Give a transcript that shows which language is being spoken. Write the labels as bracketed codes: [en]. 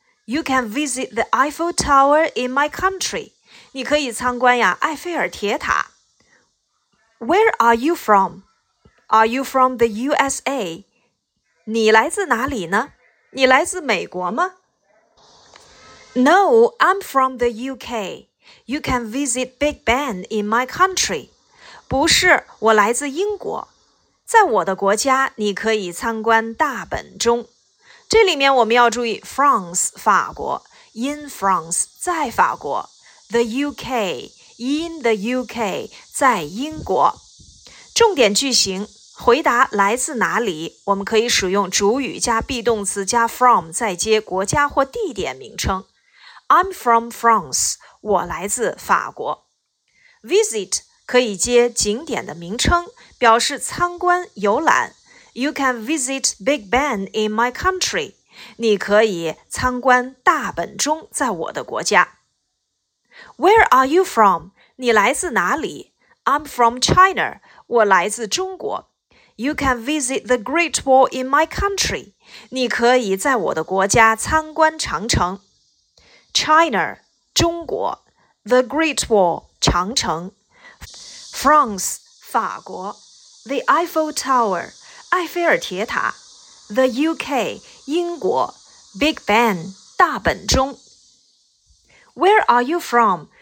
[en] You can visit the Eiffel Tower in my country. [zh] 你可以参观呀埃菲尔铁塔。 [en] Where are you from? Are you from the USA? [zh] 你来自哪里呢？你来自美国吗？ [en] No, I'm from the UK. You can visit Big Ben in my country. [zh] 不是，我来自英国。在我的国家，你可以参观大本钟。这里面我们要注意 France 法国 ，in France 在法国 ，the UK in the UK 在英国。重点句型回答来自哪里，我们可以使用主语加 be 动词加 from 再接国家或地点名称。 [en] I'm from France， [zh] 我来自法国。Visit 可以接景点的名称。表示参观游览 [en] ，You can visit Big Ben in my country. [zh] 你可以参观大本钟，在我的国家。 [en] Where are you from? [zh] 你来自哪里 [en] ？I'm from China. [zh] 我来自中国。 [en] You can visit the Great Wall in my country. [zh] 你可以在我的国家参观长城。 China, 中国 ，The Great Wall, 长城 ，France, 法国。The Eiffel Tower, 埃菲尔铁塔 The UK 英国 Big Ben 大本钟 [en] Where are you from?